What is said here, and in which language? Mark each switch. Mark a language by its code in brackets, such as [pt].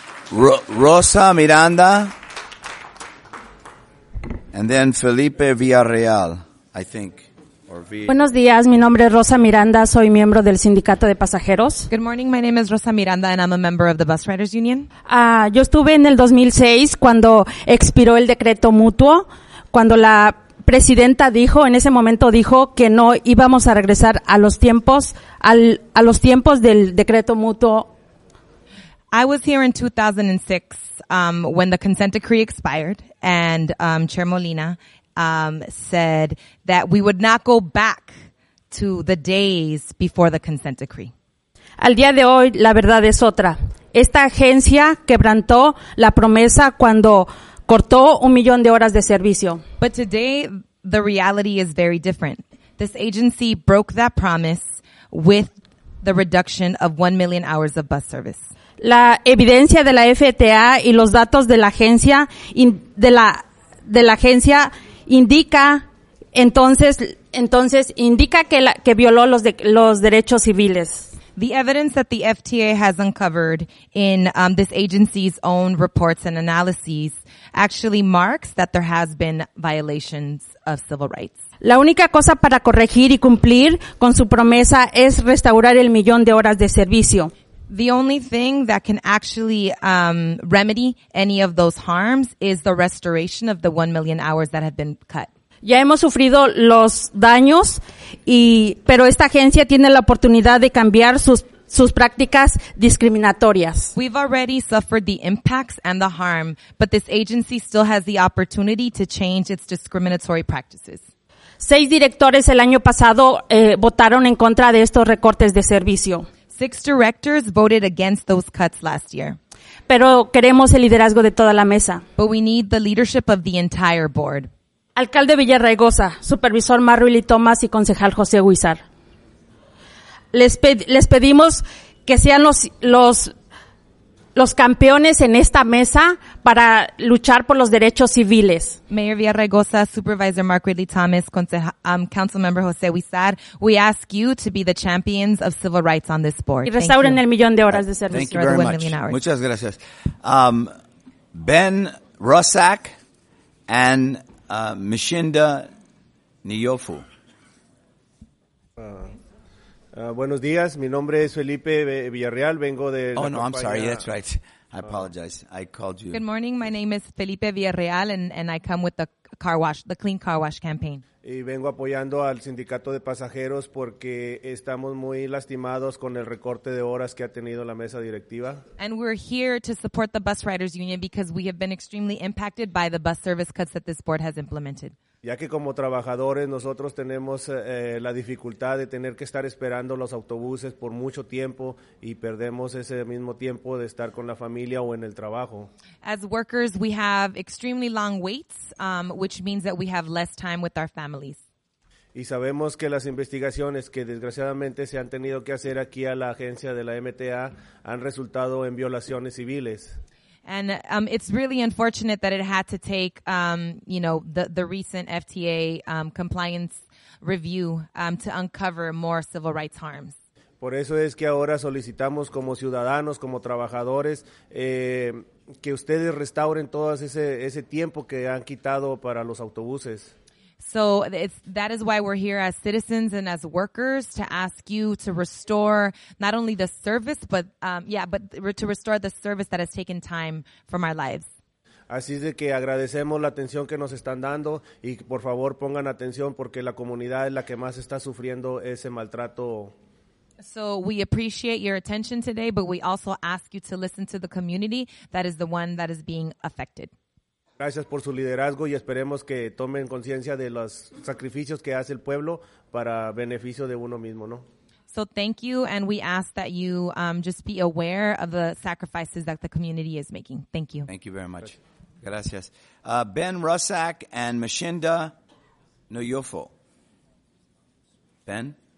[en] Rosa Miranda. And then Felipe Villarreal, I think. [es] Buenos días. Mi nombre es Rosa Miranda. Soy miembro del sindicato de pasajeros. [en] Good morning. My name is Rosa Miranda, and I'm a member of the Bus Riders Union. [es] Yo estuve en el 2006 cuando expiró el decreto mutuo, cuando la presidenta dijo, en ese momento dijo que no íbamos a regresar a los tiempos del decreto mutuo. [en] I was here in 2006. When the consent decree expired, and Chair Molina said that we would not go back to the days before the consent decree. [es] Al día de hoy, la verdad es otra. Esta agencia quebrantó la promesa cuando cortó 1 million de horas de servicio. [en] But today, the reality is very different. This agency broke that promise with the reduction of 1 million hours of bus service. [es] La evidencia de la FTA y los datos de la agencia indica que violó los derechos civiles. [en] The evidence that the FTA has uncovered in this agency's own reports and analyses actually marks that there has been violations of civil rights. [es] La única cosa para corregir y cumplir con su promesa es restaurar el millón de horas de servicio. [en] The only thing that can actually remedy any of those harms is the restoration of the 1 million hours that have been cut. [es] Ya hemos sufrido los daños, pero esta agencia tiene la oportunidad de cambiar sus sus prácticas discriminatorias. [en] We've already suffered the impacts and the harm, but this agency still has the opportunity to change its discriminatory practices. [es] Seis directores el año pasado votaron en contra de estos recortes de servicio. [en] Six directors voted against those cuts last year. [es] Pero queremos el liderazgo de toda la mesa. [en] But we need the leadership of the entire board. [es] Alcalde Villarraigosa, supervisor Marruili Tomás y concejal José Huizar. Les pedimos que sean los campeones en esta mesa para luchar por los derechos civiles. [en] Mayor Villarraigosa, Supervisor Marcuelli Thomas, Councilmember José Huizar, we ask you to be the champions of civil rights on this board. [es] Y restauren el millón de horas de servicio. [en] Thank you very much. [es] Muchas gracias. [en] Ben Rusak and Mishinda Niyofu. [es] Buenos días, mi nombre es Felipe Villarreal, vengo de... [en] Oh, no, I'm sorry, that's right. I apologize, I called you. Good morning, my name is Felipe Villarreal, and I come with the car wash, the Clean Car Wash campaign. [es] Y vengo apoyando al sindicato de pasajeros porque estamos muy lastimados con el recorte de horas que ha tenido la mesa directiva. [en] And we're here to support the bus riders union because we have been extremely impacted by the bus service cuts that this board has implemented. [es] Ya que como trabajadores nosotros tenemos la dificultad de tener que estar esperando los autobuses por mucho tiempo y perdemos ese mismo tiempo de estar con la familia o en el trabajo. [en] As workers, we have extremely long waits, which means that we have less time with our families. [es] Y sabemos que las investigaciones que desgraciadamente se han tenido que hacer aquí a la agencia de la MTA han resultado en violaciones civiles. [en] And it's really unfortunate that it had to take, the recent FTA compliance review to uncover more civil rights harms. [es] Por eso es que ahora solicitamos como ciudadanos, como trabajadores, que ustedes restauren todo ese tiempo que han quitado para los autobuses. [en] So that is why we're here as citizens and as workers to ask you to restore not only the service, but to restore the service that has taken time from our lives. [es] Así es de que agradecemos la atención que nos están dando y por favor pongan atención porque la comunidad es la que más está sufriendo ese maltrato. [en] So we appreciate your attention today, but we also ask you to listen to the community that is the one that is being affected. [es] Gracias por su liderazgo y esperemos que tomen conciencia de los sacrificios que hace el pueblo para beneficio de uno mismo, ¿no? [en] So thank you, and we ask that you just be aware of the sacrifices that the community is making. Thank you. Thank you very much. Gracias. Ben Rusak and Mishinda Niyofu. Ben?